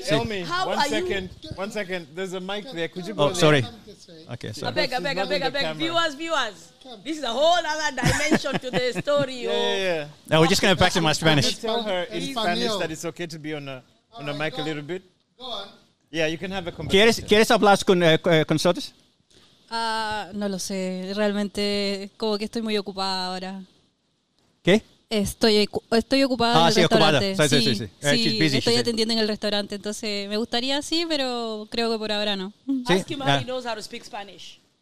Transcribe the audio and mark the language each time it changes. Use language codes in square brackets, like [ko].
[en] Elmi, how one are second. You? One second. There's a mic there. Could you go there? Oh, sorry. Okay, sorry. I beg. Viewers. This is a whole other dimension to the story. Yeah. Now we're just going to practice my Spanish. Can you tell her in Spanish that it's okay to be on a mic a little bit? Go on. Yeah, you can have a conversation. [es] ¿Quieres hablar con nosotros? No lo sé. Realmente, como que estoy muy ocupada ahora. ¿Qué? Estoy ocupada en el restaurante. Ocupada. Sí, busy, estoy atendiendo en el restaurante. Entonces, me gustaría sí, pero creo que por ahora no. [en] Ask you, Mari knows how to speak Spanish.